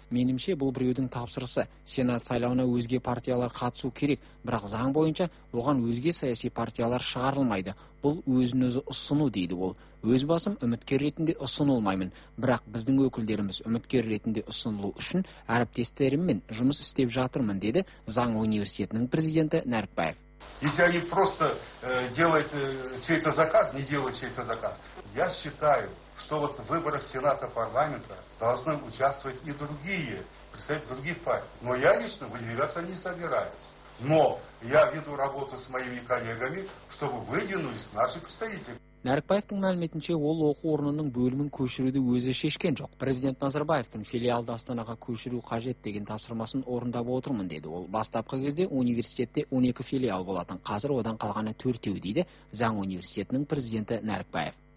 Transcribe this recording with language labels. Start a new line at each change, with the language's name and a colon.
Kazakh: Менімше бұл біреудің тапсырысы. Сенат сайлауына өзге партиялар қатысу керек, бірақ заң бойынша оған өзге саяси партиялар шығарылмайды. Бұл өзін өзі ұсыну, дейді ол. Өз басым үміткер ретінде ұсынылмаймын, бірақ біздің өкілдеріміз үміткер ретінде ұсынылу үшін әріптестеріммен жұмыс істеп жатырмын, деді заң университетінің президенті Нәрікбаев.
Russian: Если они просто делают чей-то заказ, не делают чей-то заказ, я считаю, что вот в выборах Сената парламента должны участвовать и другие, представители других партий. Но я лично выдвигаться не собираюсь. Но я веду работу с моими коллегами, чтобы выдвинулись наши представители.
Kazakh: Нарыкбаевтың мәліметінше, ол оқу орнының бөлімін көшіруді өзі шешкен жоқ. Президент Назарбаевтың филиалды Астанаға көшіру қажет деген тапсырмасын орындап отырмын, деді ол. Бастапқы кезде университетте 12 филиал болатын, қазір одан қалғаны 4-теу, дейді заң университетінің президенті Нарыкбаев.